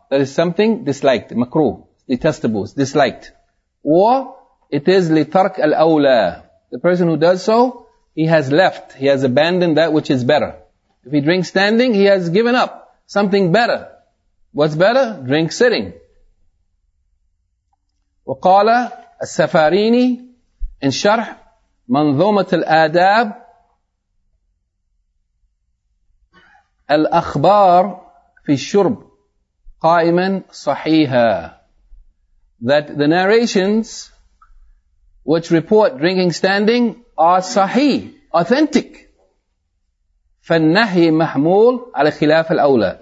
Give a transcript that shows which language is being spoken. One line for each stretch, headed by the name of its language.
English: That is something disliked, makruh, detestable, it's disliked. Or, it is litark al-awla. The person who does so, he has left, he has abandoned that which is better. If he drinks standing, he has given up something better. What's better? Drink sitting.
Arabic: وقال السفاريني in شرح منظومة الآداب الأخبار في الشرب قائماً صحيحاً.
English: That the narrations which report drinking standing are صحيح, authentic.
Arabic: فالنهي محمول على خلاف الأولى.